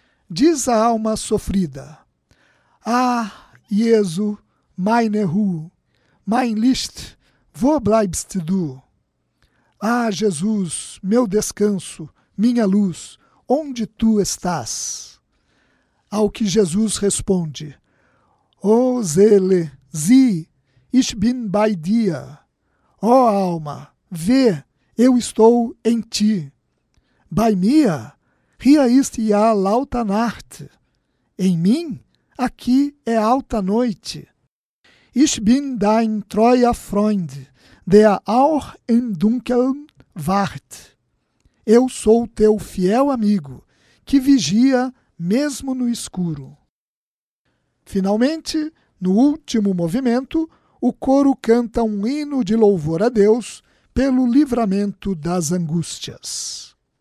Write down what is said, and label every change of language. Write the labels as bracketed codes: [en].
[pt] Diz a alma sofrida: [de] Ah, Jesu, meine Ruhe, mein Licht, wo bleibst du? [pt] Ah, Jesus, meu descanso, minha luz, onde tu estás? Ao que Jesus responde: [de] Oh, Seele, sieh, ich bin bei dir. [pt] Oh, alma, vê, eu estou em ti. [de] Bei mir, hier ist ja lauter Nacht. [pt] Em mim, aqui é alta noite. [de] Ich bin dein treuer Freund, der auch im Dunkeln wacht. [pt] Eu sou teu fiel amigo, que vigia mesmo no escuro. Finalmente, no último movimento, o coro canta um hino de louvor a Deus pelo livramento das angústias.